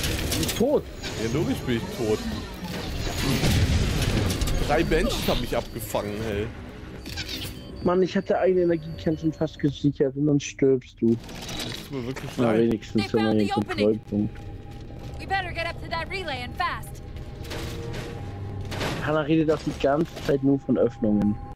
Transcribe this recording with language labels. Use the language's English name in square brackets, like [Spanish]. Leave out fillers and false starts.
[German] Ich bin tot? Ja, logisch bin ich tot. Drei Banshees haben mich abgefangen, hey. Mann, ich hatte eine Energiekerne fast gesichert und dann stirbst du. Das tut mir wirklich leid. Wenigstens für meine Kontrollpunkt. [English] We better get up to that relay and fast. [German] Hanna redet auch die ganze Zeit nur von Öffnungen.